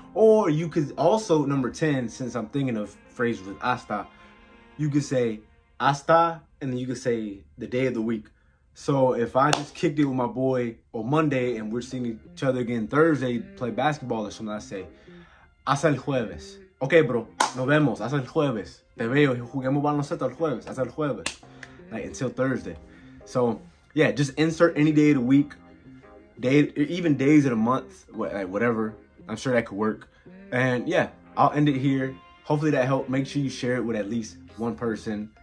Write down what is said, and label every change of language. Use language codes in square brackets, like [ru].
[en] Or you could also, number 10, since I'm thinking of phrases with hasta, you could say hasta, and then you could say the day of the week. So if I just kicked it with my boy on Monday, and we're seeing each other again Thursday, play basketball or something, I say [es] hasta el jueves. [en] Okay, bro, [es] nos vemos, hasta el jueves. Te veo, juguemos baloncesto el jueves, hasta el jueves. [en] Like, until Thursday. So, yeah, just insert any day of the week, day, even days of the month, like whatever. I'm sure that could work. And, yeah, I'll end it here. Hopefully that helped. Make sure you share it with at least one person.